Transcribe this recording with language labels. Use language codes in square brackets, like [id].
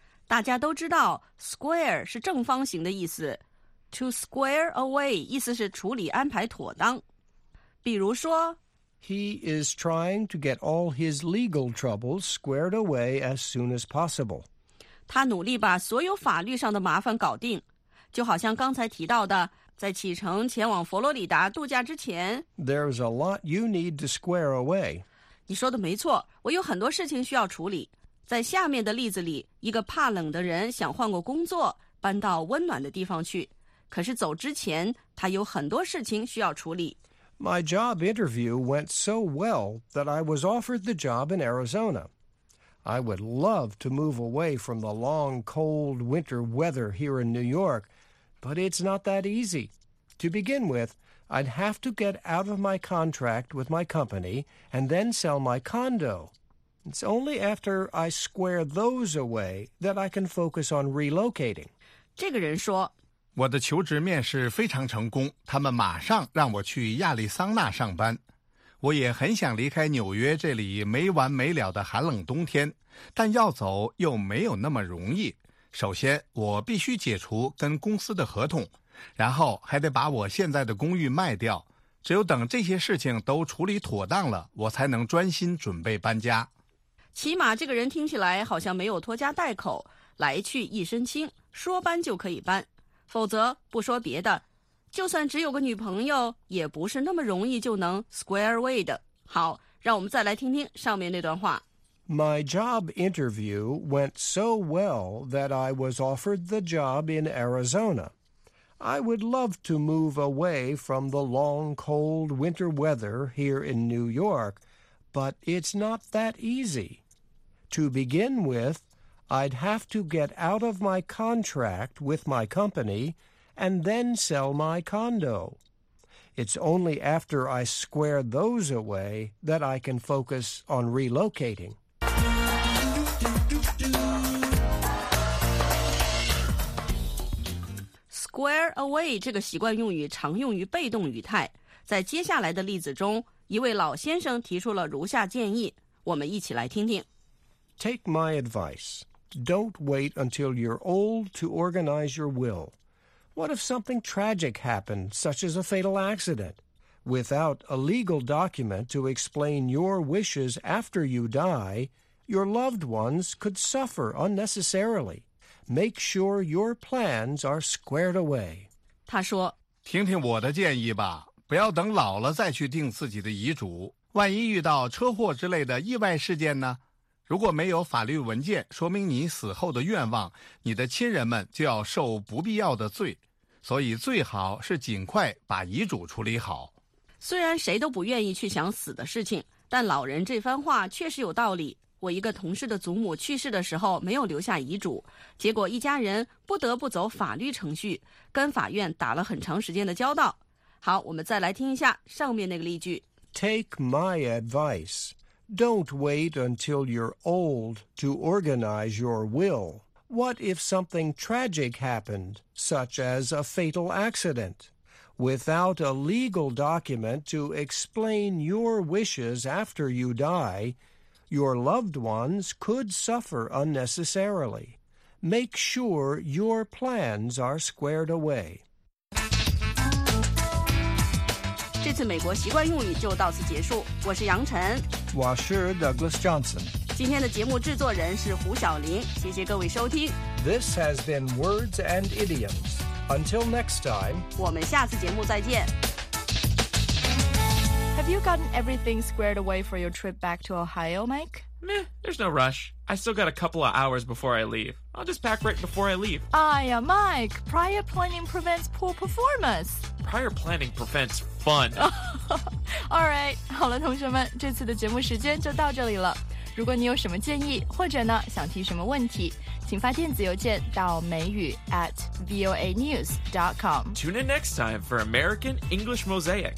[zh] 大家都知道 square 是正方形的意思， To square away 意思是处理安排妥当。比如说 [en] He is trying to get all his legal troubles squared away as soon as possible. [zh] 他努力把所有法律上的麻烦搞定，就好像刚才提到的，在启程前往佛罗里达度假之前。 [en] There's a lot you need to square away. [zh] 你说的没错，我有很多事情需要处理。在下面的例子里，一个怕冷的人想换个工作，搬到温暖的地方去，可是走之前，他有很多事情需要处理。 [en] My job interview went so well that I was offered the job in Arizona. I would love to move away from the long, cold winter weather here in New York, but it's not that easy. To begin with, I'd have to get out of my contract with my company and then sell my condo. It's only after I square those away that I can focus on relocating. [zh] 这个人说我的求职面试非常成功，他们马上让我去亚利桑那上班。我也很想离开纽约这里没完没了的寒冷冬天，但要走又没有那么容易。首先，我必须解除跟公司的合同，然后还得把我现在的公寓卖掉。只有等这些事情都处理妥当了，我才能专心准备搬家。起码这个人听起来好像没有拖家带口，来去一身轻，说搬就可以搬。否则不说别的，就算只有个女朋友也不是那么容易就能 square away 的。好，让我们再来听听上面那段话。 [en] My job interview went so well that I was offered the job in Arizona. I would love to move away from the long cold winter weather here in New York, but it's not that easy. To begin withI'd have to get out of my contract with my company and then sell my condo. It's only after I square those away that I can focus on relocating. 嘟嘟嘟嘟 [zh] Square away 这个习惯用语常用于被动语态。在接下来的例子中，一位老先生提出了如下建议，我们一起来听听。 [en] Take my advice. Don't wait until you're old to organize your will. What if something tragic happened, such as a fatal accident? Without a legal document to explain your wishes after you die, your loved ones could suffer unnecessarily. Make sure your plans are squared away. [zh] 他说，听听我的建议吧，不要等老了再去定自己的遗嘱。万一遇到车祸之类的意外事件呢？如果没有法律文件说明你死后的愿望，你的亲人们就要受不必要的罪，所以最好是尽快把遗嘱处理好。虽然谁都不愿意去想死的事情，但老人这番话确实有道理。我一个同事的祖母去世的时候没有留下遗嘱，结果一家人不得不走法律程序，跟法院打了很长时间的交道。好，我们再来听一下上面那个例句。 [en] Take my adviceDon't wait until you're old to organize your will. What if something tragic happened, such as a fatal accident? Without a legal document to explain your wishes after you die, your loved ones could suffer unnecessarily. Make sure your plans are squared away. [zh] 这次美国习惯用语就到此结束，我是杨晨。我是 Douglas Johnson. 今天的节目制作人是胡晓玲，谢谢各位收听。 [en] This has been Words and Idioms. Until next time, [zh] 我们下次节目再见。 [en] Happy Have you gotten everything squared away for your trip back to Ohio, Mike? Meh, there's no rush. I still got a couple of hours before I leave. I'll just pack right before I leave. Aya, Mike, prior planning prevents poor performance. Prior planning prevents fun. All right, [zh] 好了，同学们，这次的节目时间就到这里了。如果你有什么建议，或者呢，想提什么问题，请发电子邮件到美语 @voanews.com. [en] Tune in next time for American English Mosaic.